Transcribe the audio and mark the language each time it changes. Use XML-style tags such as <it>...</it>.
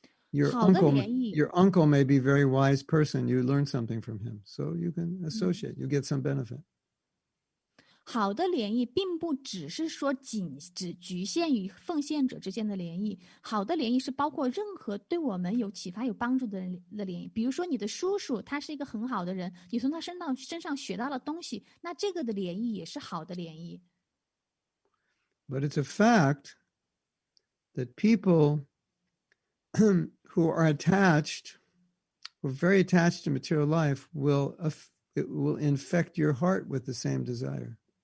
<en>Your uncle may be a very wise person. You learn something from him. So you can associate. You get some benefit.</en> <zh>好的联谊并不只是说仅局限于奉献者之间的联谊。好的联谊是包括任何对我们有启发、有帮助的联谊。比如说你的叔叔，他是一个很好的人，你从他身上学到了东西，那这个的联谊也是好的联谊。</zh> <en>But it's a fact that people who are attached, who are very attached to material life, will infect your heart with the same desire.</en>